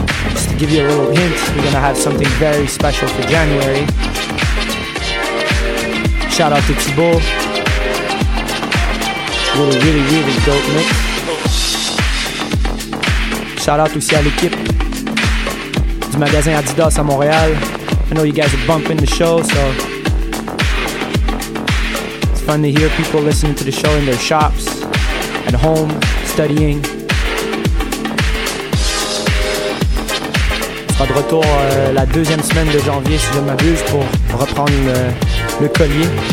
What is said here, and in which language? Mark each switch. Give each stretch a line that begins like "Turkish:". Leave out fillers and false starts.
English: Just to give you a little hint, we're gonna have something very special for January. Shout out to Thibaut. Really, really, really dope mix. Shout out
French: aussi à l'équipe du magasin Adidas à Montréal.
English: I know you guys are bumping the show, so it's fun to hear people listening to the show in their shops, at home, studying.
French: On sera de retour la deuxième semaine de janvier, si je ne m'abuse, pour reprendre le collier.